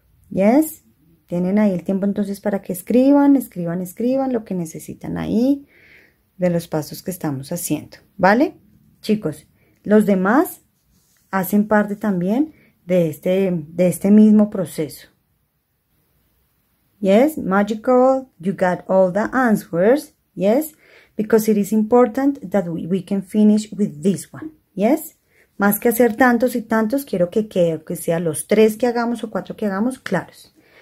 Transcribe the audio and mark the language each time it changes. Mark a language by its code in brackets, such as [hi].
[es] Yes, tienen ahí el tiempo entonces para que escriban lo que necesitan ahí de los pasos que estamos haciendo, ¿vale? Chicos, los demás hacen parte también de este mismo proceso. [en] Yes, magical, you got all the answers. Yes, because it is important that we can finish with this one. [es] Yes, más que hacer tantos y tantos, quiero que sea los tres que hagamos o cuatro que hagamos claros.